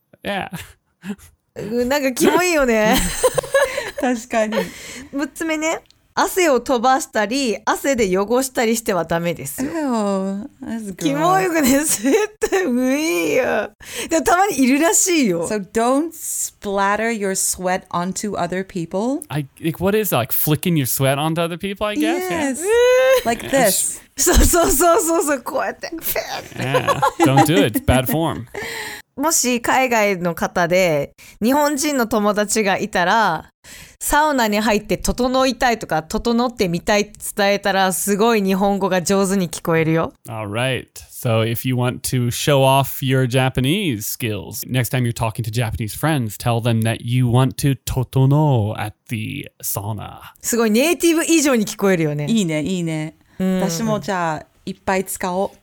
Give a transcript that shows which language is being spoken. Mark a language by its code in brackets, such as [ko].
[en] Yeah. [ja] なんかキモいよね。確かに。 6つ目ね、汗を飛ばしたり汗で汚したりしてはダメですよ。 [en] That's [ja] キモいよね。絶対無理よ。でもたまにいるらしいよ。 [en] So don't splatter your sweat onto other people. I, like, what is that? Like flicking your sweat onto other people, I guess? Yes. Yeah. Like this. [ja] そうそうそうそう、こうやって [en] 。 Yeah. Don't do it. It's bad form. [ja] もし海外の方で日本人の友達がいたら、サウナに入って整いたいとか整ってみたいって伝えたら、すごい日本語が上手に聞こえるよ。 [en] All right. So if you want to show off your Japanese skills, next time you're talking to Japanese friends, tell them that you want to 整 at the sauna. [ja] すごいネイティブ以上に聞こえるよね。いいね、いいね。私もじゃあいっぱい使おう。